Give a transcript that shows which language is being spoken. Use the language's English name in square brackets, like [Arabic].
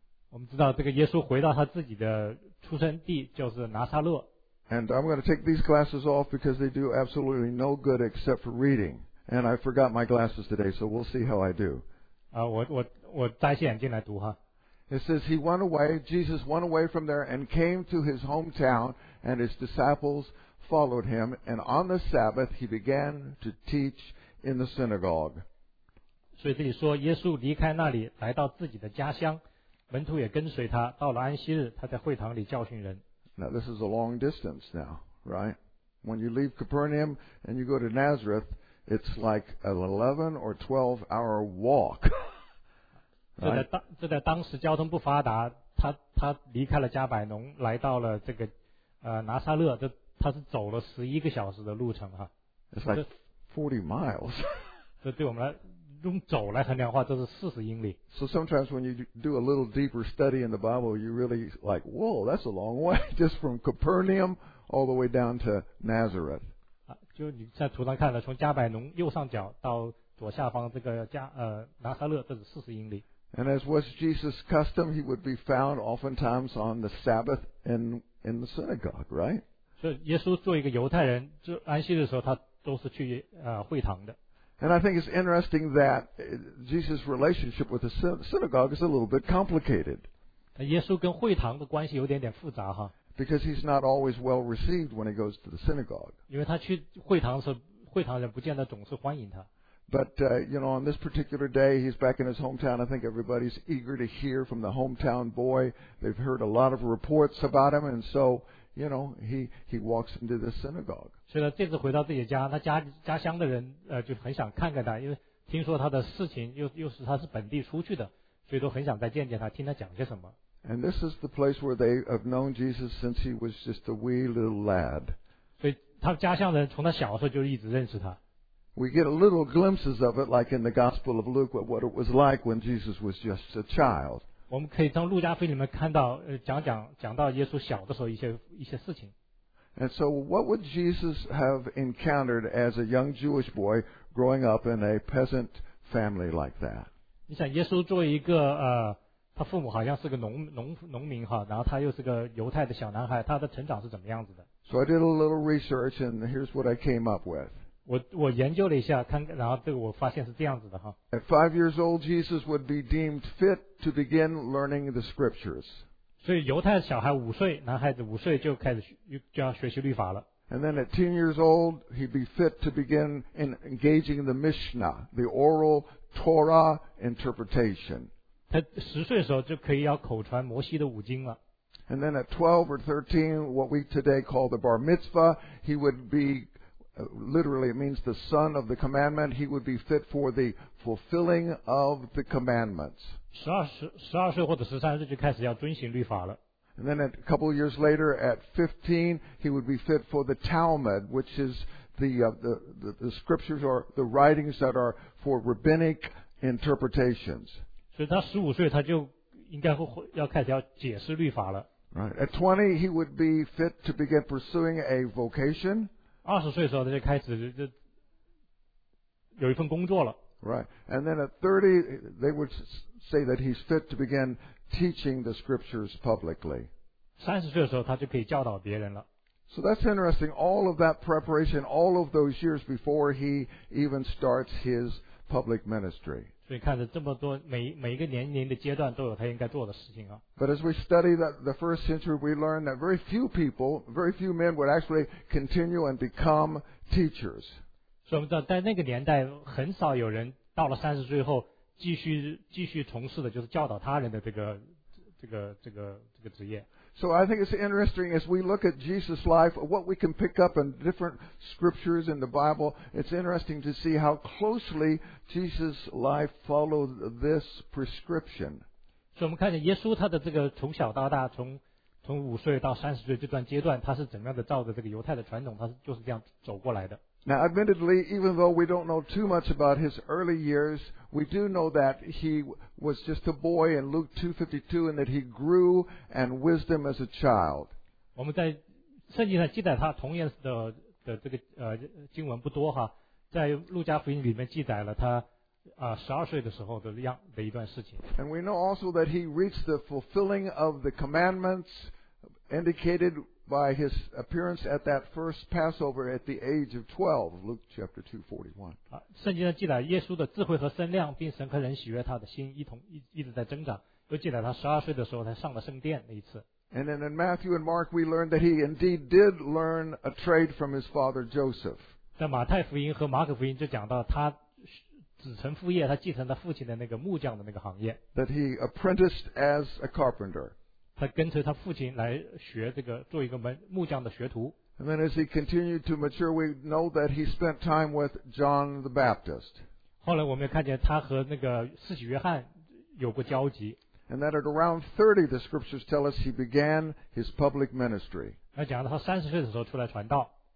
[Chinese] 我们知道这个耶稣回到他自己的出生地，就是拿撒勒。 [English] And I'm going to take these glasses off because they do absolutely no good except for reading. And I forgot my glasses today, so we'll see how I do. [Chinese] 我戴些眼镜来读哈。 [English] It says, he went away, Jesus went away from there and came to his hometown, and his disciples followed him, and on the Sabbath he began to teach in the synagogue. [Chinese] 所以这里说耶稣离开那里来到自己的家乡，门徒也跟随他，到了安息日他在会堂里教训人。 [English] Now this is a long distance now, right? When you leave Capernaum and you go to Nazareth, it's like an 11 or 12 hour walk. [Chinese] 这在当时交通不发达，他离开了加百农，来到了这个拿撒勒，这他是走了11个小时的路程哈。 [English] It's like 40 miles. [Chinese] 这对我们来用走来衡量话，这是40英里。 [English] So sometimes when you do a little deeper study in the Bible, you really like, whoa, that's a long way, just from Capernaum all the way down to Nazareth. [Chinese] 就你在图上看了，从加百农右上角到左下方这个拿撒勒，这是40英里。 [English] And as was Jesus' custom, he would be found oftentimes on the Sabbath in the synagogue, right? [Chinese] 所以耶稣作为一个犹太人，就安息的时候，他都是去会堂的。 [English] And I think it's interesting that Jesus' relationship with the synagogue is a little bit complicated. [Chinese] 耶稣跟会堂的关系有点复杂哈。 [English] Because he's not always well received when he goes to the synagogue. [Chinese] 因为他去会堂的时候，会堂人不见得总是欢迎他。 [English] But on this particular day, he's back in his hometown. I think everybody's eager to hear from the hometown boy. They've heard a lot of reports about him, and so, you know, he walks into the synagogue. [Chinese] 所以呢，这次回到自己家，他家乡的人就很想看看他，因为听说他的事情又是他是本地出去的，所以都很想再见见他，听他讲些什么。 [English] And this is the place where they have known Jesus since he was just a wee little lad. [Chinese] 所以他家乡的人从他小时候就一直认识他。 [English] We get a little glimpses of it, like in the Gospel of Luke, what it was like when Jesus was just a child. [Chinese] 我们可以从路加福音里面看到，讲到耶稣小的时候一些事情。 [English] And so, what would Jesus have encountered as a young Jewish boy growing up in a peasant family like that? [Chinese] 你想，耶稣作为一个他父母好像是个农民哈，然后他又是个犹太的小男孩，他的成长是怎么样子的 [English] ？So I did a little research, and here's what I came up with. [Chinese] 我研究了一下，然后这个我发现是这样子的哈。 [English] At 5 years old, Jesus would be deemed fit to begin learning the scriptures. [Chinese] 所以犹太小孩男孩子五岁就开始就要学习律法了。 [English] And then at 10 years old, he'd be fit to begin engaging the Mishnah, the oral Torah interpretation. [Chinese] 他10岁的时候就可以要口传摩西的五经了。 [English] And then at 12 or 13, what we today call the Bar Mitzvah, he would beLiterally, it means the son of the commandment. He would be fit for the fulfilling of the commandments. [Chinese] 12岁或者13岁就开始要遵行律法了。 [English] And then a couple of years later, at 15, he would be fit for the Talmud, which is the scriptures or the writings that are for rabbinic interpretations. [Chinese] 所以他15岁他就应该会要开始要解释律法了。 [English] Right. At 20, he would be fit to begin pursuing a vocation. [Chinese] 20岁的时候他就开始就有一份工作了。 [English] Right. And then at 30, they would say that he's fit to begin teaching the scriptures publicly. [Chinese] 30岁的时候他就可以教导别人了。 [English] So that's interesting, all of that preparation, all of those years before he even starts his public ministry. [Chinese] 所以看着这么多 每一个年龄的阶段都有他应该做的事情啊。 [English] But as we study that the first century, we learn that very few people, very few men would actually continue and become teachers. [Chinese] 所以我们知道在那个年代很少有人到了三十岁后继续从事的就是教导他人的这个职业。 [English] So I think it's interesting as we look at Jesus' life, what we can pick up in different scriptures in the Bible, it's interesting to see how closely Jesus' life followed this prescription. So [Chinese] 我们看见耶稣他的这个从小到大从五岁到三十岁这段阶段他是怎么样的照着这个犹太的传统他就是这样走过来的。 [English] Now admittedly, even though we don't know too much about his early years, we do know that he was just a boy in Luke 2:52 and that he grew in wisdom as a child. [Chinese] 我们在圣经上记载他童年 的这个经文不多哈，在路加福音里面记载了他12岁的时候的一段事情。 [English] And we know also that he reached the fulfilling of the commandments indicated by his appearance at that first Passover at the age of 12, Luke chapter 2:41. [Chinese] 圣经上记载耶稣的智慧和身量并神和人喜悦他的心一直在增长，又记载他十二岁的时候他上了圣殿那一次。 [English] And then in Matthew and Mark we learn that he indeed did learn a trade from his father Joseph. [Chinese] 在马太福音和马可福音就讲到他子承父业，他继承他父亲的那个木匠的那个行业。 [English] That he apprenticed as a carpenter. [Chinese] 他跟随他父亲来学这个做一个木匠的学徒。 [English] And then as he continued to mature, we know that he spent time with John the Baptist. [Chinese] 后来我们看见他和那个施洗约翰有过交集。 [English] And that at around 30, the scriptures tell us he began his public ministry. [Chinese] 那讲到他三十岁的时候出来传道。